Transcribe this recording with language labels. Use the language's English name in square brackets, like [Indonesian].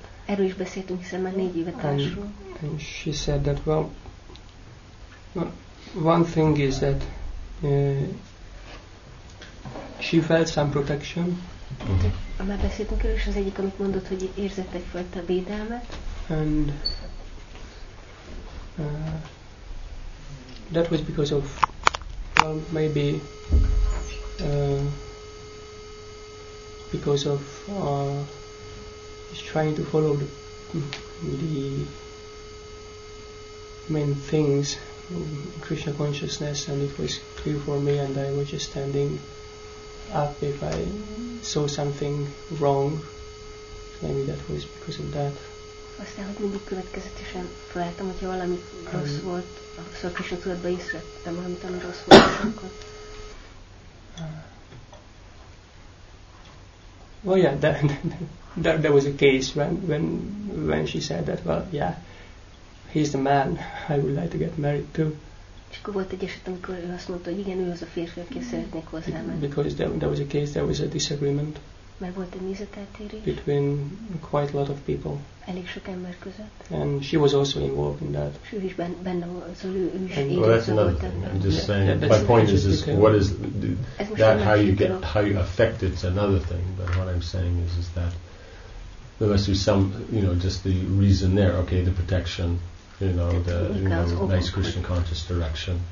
[Hungarian] Erről is beszéltünk, hiszen már 4 évet társul. [English] And she said that, well, one thing is that she felt some protection. [Hungarian] Már beszéltünk erről, és az egyik, amit mondott, hogy érzett egyfajta védelmet. [English] And that was because of, well, maybe because of trying to follow the main things, Krishna consciousness, and it was clear for me, and I was just standing up if I saw something wrong. Maybe that was because of that. [Hungarian] Aztán, hogy mindig következetesen feleltem, hogyha valami rossz volt, szóval Krishna tudatban észrevettem, amit ami rossz volt, akkor... [English] Well, yeah, there was a case when she said that, well, yeah, he's the man I would like to get married to. [Hungarian] És akkor volt egy eset, amikor ő azt mondta, hogy igen, ő az a férfi, aki szeretnék hozzá menni. [English] Because there was a case, there was a disagreement. [Hungarian] Mert volt egy nézeteltérés. [English] Between quite a lot of people. [Hungarian] Elég sok ember között. [English] And she was also involved in that. [Hungarian] És ő is benne volt, szóval ő is érintett. [English] Well, that's another thing. I'm just saying, my point is what is that, how you get, how you affect it's another thing. But what I'm saying is that there must be some, you know, just the reason there, okay, the protection, you know, the, you know, nice Christian conscious direction.